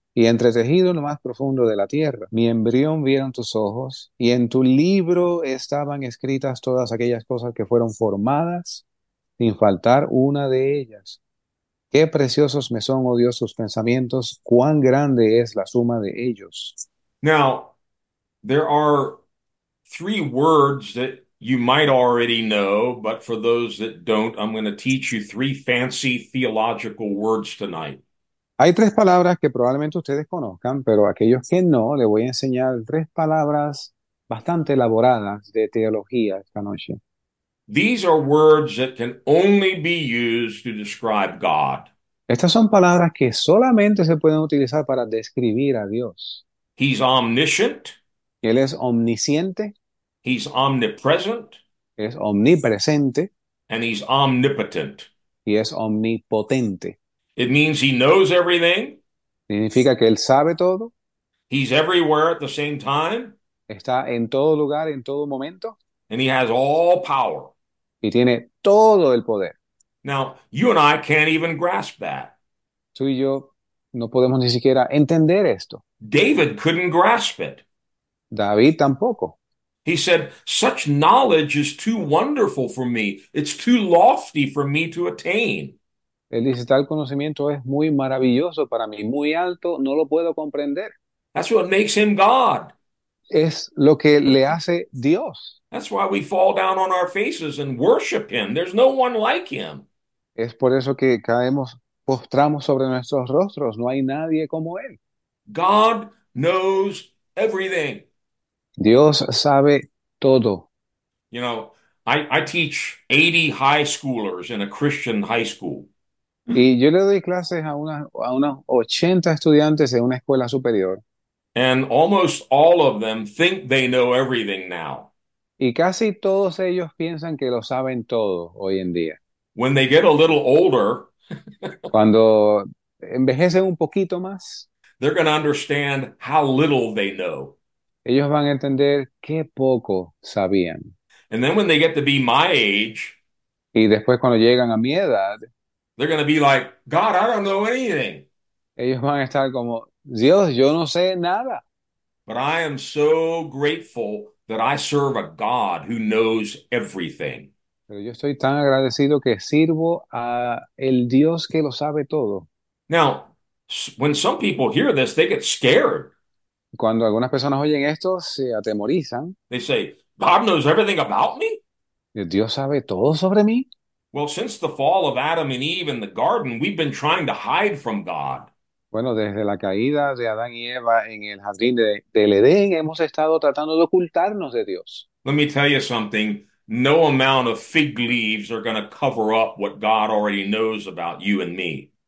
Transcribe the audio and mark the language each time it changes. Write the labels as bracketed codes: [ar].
[es] Y entretejido en lo más profundo de la tierra, mi embrión vieron tus ojos, y en tu libro estaban escritas todas aquellas cosas que fueron formadas, sin faltar una de ellas. Qué preciosos me son, oh Dios, tus pensamientos, cuán grande es la suma de ellos. [en] Now, there are three words that you might already know, but for those that don't, I'm going to teach you three fancy theological words tonight. [es] Hay tres palabras que probablemente ustedes conozcan, pero aquellos que no, les voy a enseñar tres palabras bastante elaboradas de teología esta noche. [en] These are words that can only be used to describe God. [es] Estas son palabras que solamente se pueden utilizar para describir a Dios. [en] He's omniscient. [es] Él es omnisciente. [en] He's omnipresent. [es] Es omnipresente. [en] And he's omnipotent. [es] Y es omnipotente. [en] It means he knows everything. [es] Significa que él sabe todo, [en] He's everywhere at the same time. [es] está en todo lugar, en todo momento, [en] And he has all power. [es] y tiene todo el poder. [en] Now, you and I can't even grasp that. [es] Tú y yo no podemos ni siquiera entender esto. [en] David couldn't grasp it. [es] David tampoco. [en] He said, "Such knowledge is too wonderful for me. It's too lofty for me to attain." [es] Él dice, tal conocimiento es muy maravilloso para mí, muy alto, no lo puedo comprender. [en] That's what makes him God. [es] Es lo que le hace Dios. [en] That's why we fall down on our faces and worship him. There's no one like him. [es] Es por eso que caemos, postramos sobre nuestros rostros, no hay nadie como Él. [en] God knows everything. [es] Dios sabe todo. [en] You know, I teach 80 high schoolers in a Christian high school. [es] Y yo le doy clases a unos 80 estudiantes en una escuela superior. [en] And almost all of them think they know everything now. [es] Y casi todos ellos piensan que lo saben todo hoy en día. [en] When they get a little older, [es] Cuando envejecen un poquito más, [en] they're going to understand how little they know. [es] ellos van a entender qué poco sabían. [en] And then when they get to be my age, [es] Y después cuando llegan a mi edad, [en] they're going to be like, God, I don't know anything. [es] ellos van a estar como, Dios, yo no sé nada. [en] But I am so grateful that I serve a God who knows everything. [es] Pero yo estoy tan agradecido que sirvo a el Dios que lo sabe todo. [en] Now, when some people hear this, they get scared. [es] Cuando algunas personas oyen esto, se atemorizan. [en] They say, God knows everything about me? [es] ¿Dios sabe todo sobre mí? [en] Well, since the fall of Adam and Eve in the garden, we've been trying to hide from God. [es] Bueno, desde la caída de Adán y Eva en el jardín del Edén, hemos estado tratando de ocultarnos de Dios. [en] Let me tell you something. No amount of fig leaves are going to cover up what God already knows about you and me.